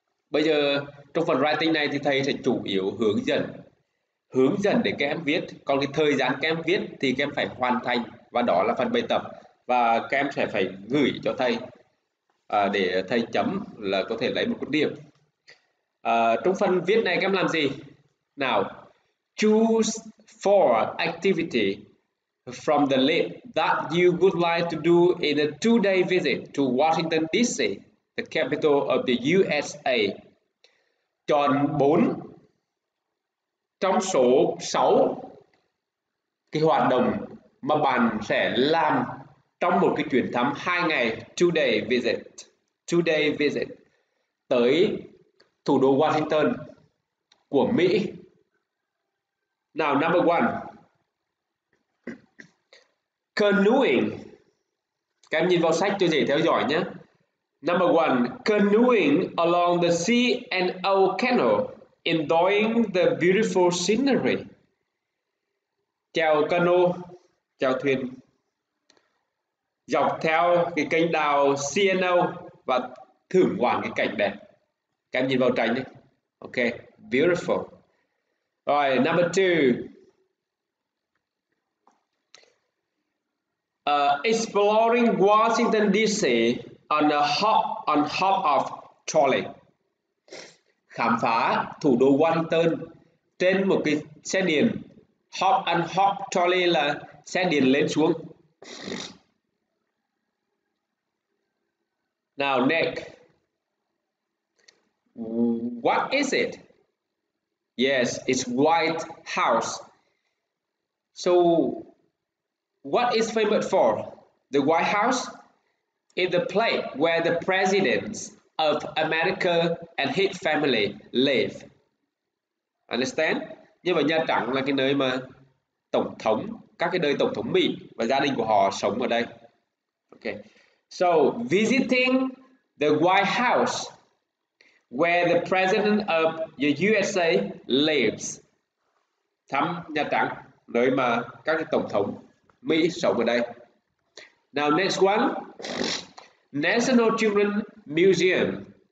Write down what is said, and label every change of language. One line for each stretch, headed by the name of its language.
Vietnamese: Bây giờ trong phần writing này thì thầy sẽ chủ yếu hướng dẫn để các em viết, còn cái thời gian các em viết thì các em phải hoàn thành và đó là phần bài tập và các em sẽ phải gửi cho thầy để thầy chấm là có thể lấy một cái điểm. Trong phần viết này các em làm gì?
English: Now, choose four activity from the list that you would like to do in a two-day visit to Washington DC, the capital of the USA.
Vietnamese: Chọn 4 trong số 6 cái hoạt động mà bạn sẽ làm trong một cái chuyến thăm 2 ngày,
English: two-day visit
Vietnamese: tới thủ đô Washington của Mỹ.
English: Now, number 1, canoeing.
Vietnamese: Các em nhìn vào sách cho dễ theo dõi nhé.
English: Number 1, canoeing along the sea and old canal, enjoying the beautiful scenery.
Vietnamese: Chèo cano, chèo thuyền dọc theo cái kênh đào CNO và thưởng ngoạn cái cảnh đẹp. Các em nhìn vào tranh đi.
English: Ok, beautiful.
Vietnamese: Rồi,
English: number 2. Exploring Washington DC on hop of trolley.
Vietnamese: Khám phá thủ đô Washington trên một cái xe điện.
English: Hop and hop trolley
Vietnamese: là xe điện lên xuống.
English: Now Nick, what is it? Yes, it's White House. So what is famous for? The White House is the place where the presidents of America and his family live. Understand?
Vietnamese: Nhưng mà Nhà Trắng là cái nơi mà tổng thống, các cái nơi tổng thống Mỹ và gia đình của họ sống ở đây.
English: Okay. So visiting the White House where the president of the USA lives.
Vietnamese: Thăm Nhà Trắng, nơi mà các cái tổng thống Mỹ sống ở đây.
English: Now next one, National Children's Museum.